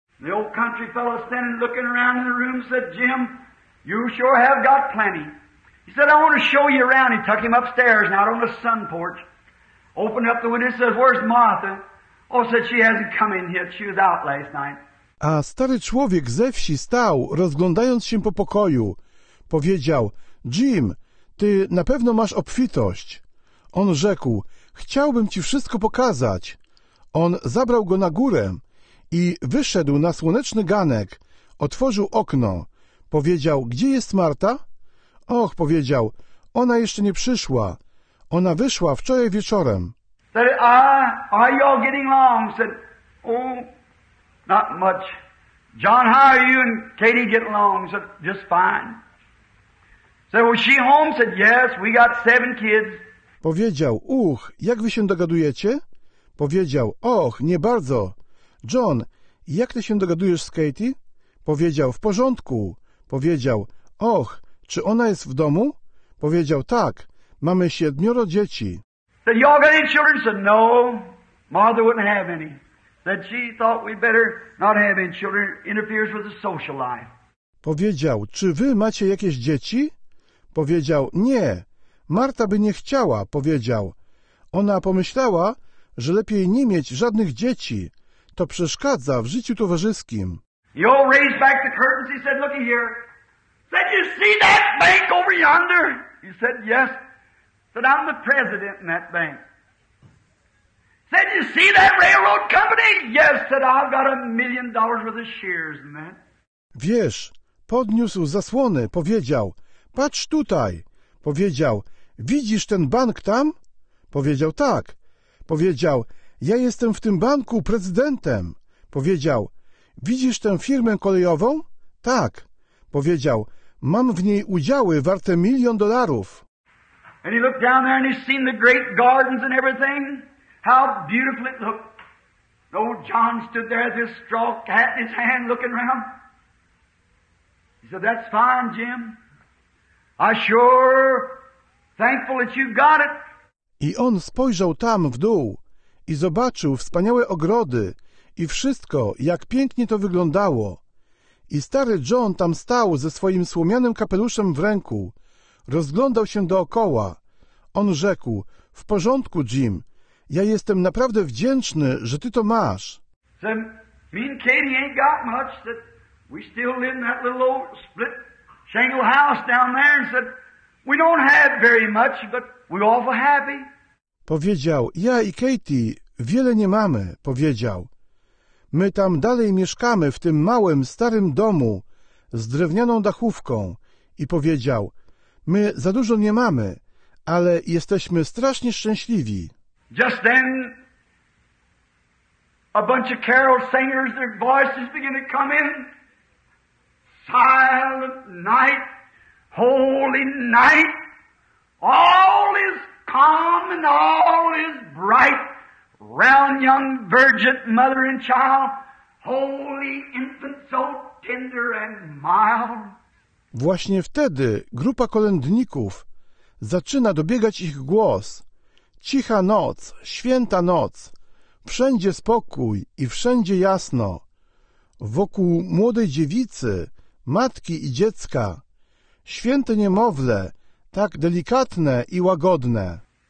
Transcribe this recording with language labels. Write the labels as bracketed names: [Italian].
[English] The old country fellow standing looking around in the room said, "Jim, you sure have got plenty." He said, "I want to show you around." He took him upstairs and out on the sun porch. Opened up the window and said, "Where's Martha?" "Oh," said, "she hasn't come in yet. She was out last night." [Polish] A stary człowiek ze wsi stał, rozglądając się po pokoju. Powiedział, "Jim, ty na pewno masz obfitość." On rzekł, "Chciałbym ci wszystko pokazać." On zabrał go na górę i wyszedł na słoneczny ganek, otworzył okno. Powiedział, "Gdzie jest Marta?" "Och," powiedział, "ona jeszcze nie przyszła. Ona wyszła wczoraj wieczorem." [English] "Said, are you all getting along?" "Said, oh, not much. John, how are you and Katie getting along?" "Said, just fine." "Said, was she home?" "Said, yes, we got 7 kids." [Polish] Powiedział, "Uch, jak wy się dogadujecie?" Powiedział, "Och, nie bardzo. John, jak ty się dogadujesz z Katie?" Powiedział, "W porządku." Powiedział, "Och, czy ona jest w domu?" Powiedział, "Tak, mamy 7 dzieci." [English] "Said, y'all got any children?" "Said, no, Martha wouldn't have any. Said, she thought we better not have any children, interferes with the social life." [Polish] Powiedział, "Czy wy macie jakieś dzieci?" Powiedział, "Nie, Marta by nie chciała." Powiedział, "Ona pomyślała, że lepiej nie mieć żadnych dzieci. To przeszkadza w życiu towarzyskim." [English] He all raised back the curtains. He said, "Looky here." "Said, you see that bank over yonder?" "He said, yes." "Said, I'm the president in that bank." "Said, you see that railroad company?" "Yes." "Said, I've got $1,000,000 worth of shares in that." [Polish] "Wiesz," podniósł zasłony, powiedział, "patrz tutaj." Powiedział, "Widzisz ten bank tam?" Powiedział, "Tak." Powiedział, "Ja jestem w tym banku prezydentem." Powiedział, "Widzisz tę firmę kolejową?" "Tak." Powiedział, "Mam w niej udziały warte $1,000,000. [English] And he looked down there and he seen the great gardens and everything. How beautiful it looked. Old John stood there with his straw hat in his hand looking around. He said, "That's fine, Jim. I sure thankful that you got it." [Polish] I on spojrzał tam w dół i zobaczył wspaniałe ogrody i wszystko, jak pięknie to wyglądało. I stary John tam stał ze swoim słomianym kapeluszem w ręku, rozglądał się dookoła. On rzekł: w porządku, Jim. Ja jestem naprawdę wdzięczny, że ty to masz. [English] So, me and Katie ain't got much that we still live in that little old split shingle house down there and said we don't have very much, but we're awful happy. [Polish] Powiedział: ja i Katie wiele nie mamy, powiedział. My tam dalej mieszkamy w tym małym, starym domu z drewnianą dachówką i powiedział: my za dużo nie mamy, ale jesteśmy strasznie szczęśliwi. [English] Just then, a bunch of carol singers, their voices begin to come in. Silent night, holy night, all is calm and all is bright. Round young virgin, mother and child, holy infant so tender and mild. [Polish] Właśnie wtedy grupa kolędników zaczyna dobiegać ich głos. Cicha noc, święta noc, wszędzie spokój i wszędzie jasno. Wokół młodej dziewicy, matki i dziecka, święte niemowlę, tak delikatne i łagodne.